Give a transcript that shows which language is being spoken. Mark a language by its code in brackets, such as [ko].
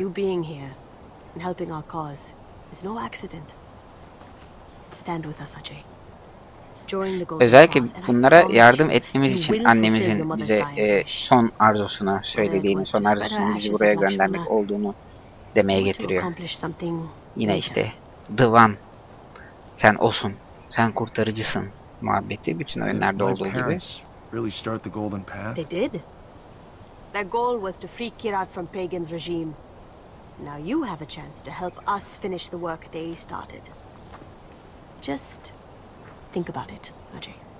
[en] You being here and helping our cause is no accident. Stand with us, Ajay. Join the Golden. [tr] Özellikle bunlara yardım etmemiz için annemizin bize son arzusuna söylediğini, son arzusunu bizi buraya göndermek olduğunu demeye getiriyor. Yine işte The One, sen olsun, sen kurtarıcısın muhabbeti bütün oyunlarda olduğu gibi. [en] Really start the Golden Path. They did. Their goal was to free Kirat from Pagan's regime. Now you have a chance to help us finish the work they started. Just think about it, Ajay.